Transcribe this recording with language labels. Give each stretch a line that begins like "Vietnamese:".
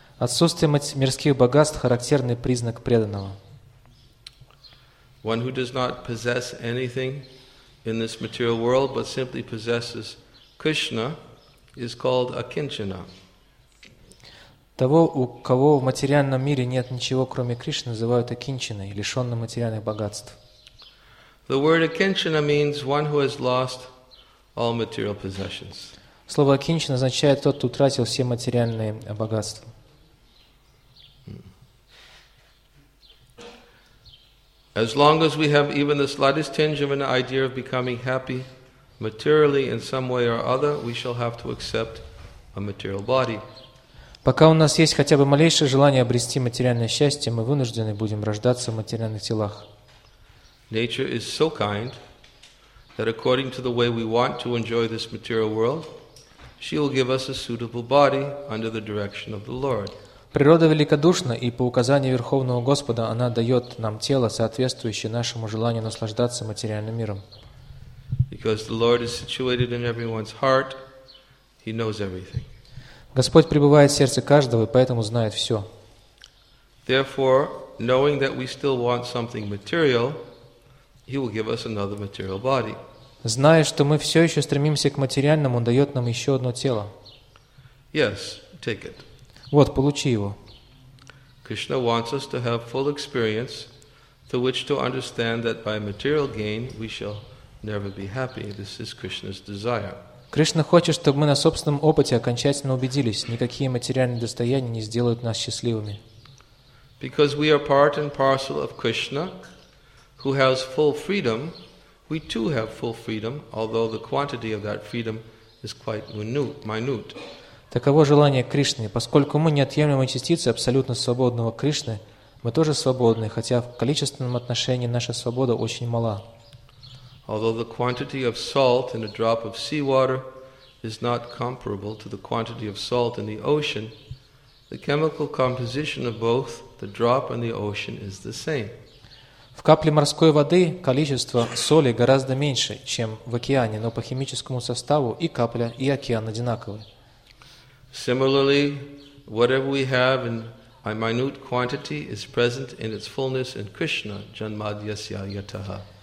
Russian: Отсутствие мирских богатств – характерный признак преданного.
English: One who does not possess anything in this material world but simply possesses Krishna is called akinchana.
Russian: Того, у кого в материальном мире нет ничего, кроме Кришны, называют акинчаной, лишенным материальных богатств.
English: The word akinchana means one who has lost all material possessions.
Russian: Слово акинчана означает тот, кто утратил все материальные богатства.
English: As long as we have even the slightest tinge of an idea of becoming happy materially in some way or other, we shall have to accept a material body.
Russian: Пока у нас есть хотя бы малейшее желание обрести материальное счастье, мы вынуждены будем рождаться в материальных телах.
English: Nature is so kind that according to the way we want to enjoy this material world, she will give us a suitable body under the direction of the Lord.
Russian: Природа великодушна, и по указанию Верховного Господа она дает нам тело, соответствующее нашему желанию наслаждаться материальным миром.
English: Because the Lord is situated in everyone's heart, He knows everything.
Russian: Господь пребывает в сердце каждого, и поэтому знает все.
English: Therefore, knowing that we still want something material, He will give us another material body.
Russian: Зная, что мы все еще стремимся к материальному, Он дает нам еще одно тело.
English: Yes, take it.
Russian: Вот, получи его.
English: Krishna wants us to have full experience through which to understand that by material gain we shall never be happy. This is Krishna's desire.
Russian: Кришна хочет, чтобы мы на собственном опыте окончательно убедились, никакие материальные достояния не сделают нас счастливыми.
English: Because we are part and parcel of Krishna, who has full freedom, we too have full freedom, although the quantity of that freedom is quite minute.
Russian: Таково желание Кришны. Поскольку мы неотъемлемые частицы абсолютно свободного Кришны, мы тоже свободны, хотя в количественном отношении наша свобода очень мала.
English: Although the quantity of salt in a drop of seawater is not comparable to the quantity of salt in the ocean, the chemical composition of both the drop and the ocean is the same.
Russian: В капле морской воды количество соли гораздо меньше, чем в океане, но по химическому составу и капля, и океан одинаковы.
English: Similarly, whatever we have in a minute quantity is present in its fullness in Krishna, Janmadyasya Yataha.